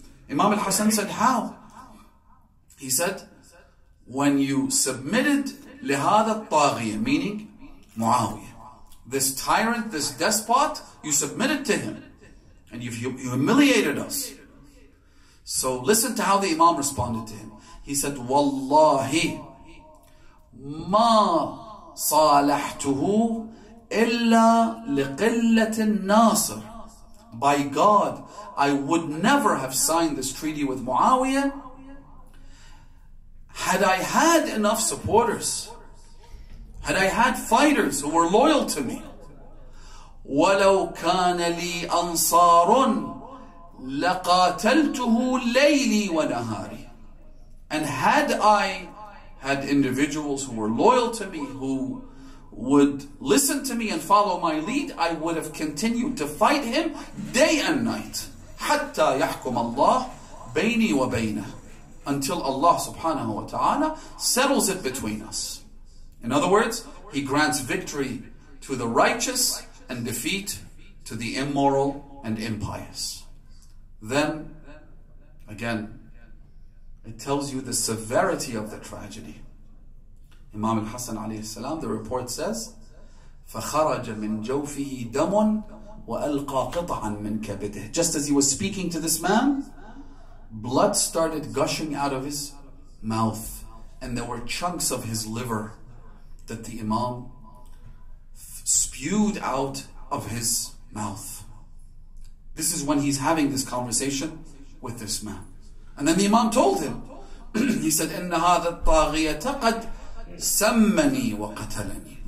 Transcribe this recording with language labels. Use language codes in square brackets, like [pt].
[en] Imam al-Hassan said, how? He said, when you submitted [ar] لِهَذَا الطَّاغِيَ, [en] meaning Muawiyah, this tyrant, this despot, you submitted to him and you humiliated us. So listen to how the Imam responded to him. He said, [ar] وَاللَّهِ مَا صَالَحْتُهُ إِلَّا لِقِلَّةِ النَّاصِرِ. [en] By God, I would never have signed this treaty with Muawiyah had I had enough supporters, had I had fighters who were loyal to me. [ar] وَلَوْ كَانَ لِي أَنصَارٌ لَقَاتَلْتُهُ لَيْلِي وَنَهَارِي. [en] And had I had individuals who were loyal to me, who would listen to me and follow my lead, I would have continued to fight him day and night. [ar] حَتَّى يَحْكُمَ اللَّهُ بَيْنِي وَبَيْنَهُ. [en] Until Allah subhanahu wa ta'ala settles it between us. In other words, he grants victory to the righteous and defeat to the immoral and impious. Then, again, it tells you the severity of the tragedy. Imam al-Hassan alayhi salam, the report says, [ar] فَخَرَجَ مِنْ جَوْفِهِ دَمٌ وَأَلْقَى قِطَعًا مِنْ كَبِدِهِ. [en] Just as he was speaking to this man, blood started gushing out of his mouth, and there were chunks of his liver that the Imam spewed out of his mouth. This is when he's having this conversation with this man. And then the Imam told him, he said, [ar] إِنَّ هَذَا الطَّاغِيَةَ قَدْ سَمَّنِي وَقَتَلَنِي.